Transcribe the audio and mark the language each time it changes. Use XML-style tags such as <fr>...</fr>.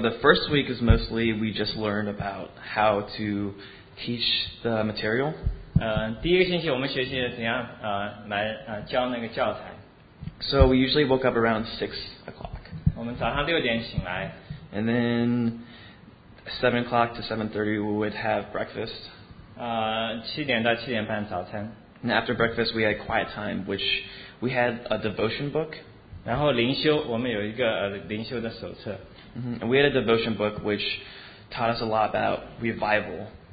<en>the first week is mostly we just learned about how to teach the material.</en> <zh>第一个星期我们学习怎样教那个教材。</zh> <en>So we usually woke up around 6 o'clock.</en> <zh>我们早上6点醒来。</zh> <en>And then 7 o'clock to 7:30 we would have breakfast.</en> <zh>7点到7点半早餐。</zh> <en>And after breakfast we had quiet time, which we had a devotion book.</en> <zh>然后灵修，我们有一个灵修的手册。 Mm-hmm.</zh> <en>And we had a devotion book which taught us a lot about revival.</en>